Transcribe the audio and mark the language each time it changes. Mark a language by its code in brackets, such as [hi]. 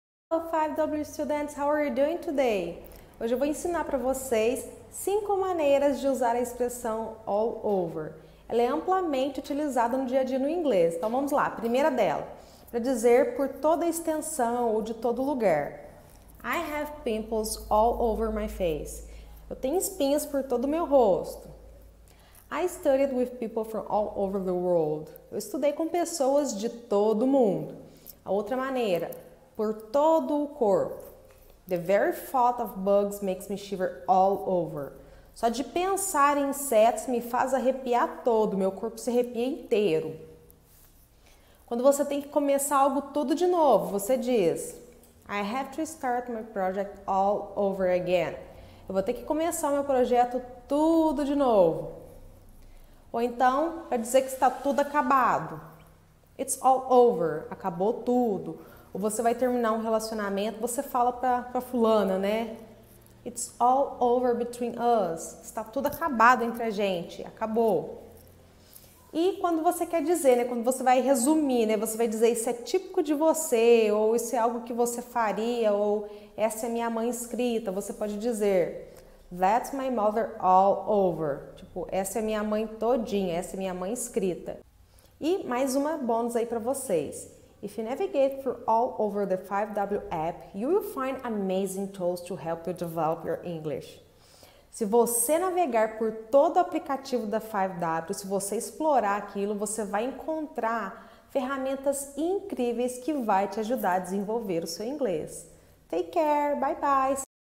[en] Olá, 5W Students, how are you doing today? [pt] Hoje eu vou ensinar para vocês cinco maneiras de usar a expressão all over. Ela é amplamente utilizada no dia a dia no inglês. Então vamos lá, primeira dela, para dizer por toda a extensão ou de todo lugar. [en] I have pimples all over my face. [pt] Eu tenho espinhas por todo o meu rosto. [en] I studied with people from all over the world. [pt] Eu estudei com pessoas de todo o mundo. A outra maneira. Por todo o corpo. [en] The very thought of bugs makes me shiver all over. [pt] Só de pensar em insetos me faz arrepiar todo, meu corpo se arrepia inteiro. Quando você tem que começar algo tudo de novo, você diz: [en] I have to start my project all over again. [pt] Eu vou ter que começar o meu projeto tudo de novo. Ou então, para dizer que está tudo acabado. [en] It's all over. [pt] Acabou tudo. Ou você vai terminar um relacionamento, você fala pra fulana, né? [en] It's all over between us. [pt] Está tudo acabado entre a gente. Acabou. E quando você quer dizer, né? Quando você vai resumir, né? Você vai dizer isso é típico de você, ou isso é algo que você faria, ou essa é minha mãe escrita. Você pode dizer [en] That's my mother all over. [pt] Tipo, essa é minha mãe todinha, essa é minha mãe escrita. E mais uma bônus aí para vocês. [en] If you navigate through all over the 5W app, you will find amazing tools to help you develop your English. [pt] Se você navegar por todo o aplicativo da 5W, se você explorar aquilo, você vai encontrar ferramentas incríveis que vai te ajudar a desenvolver o seu inglês. [en] Take care, bye bye.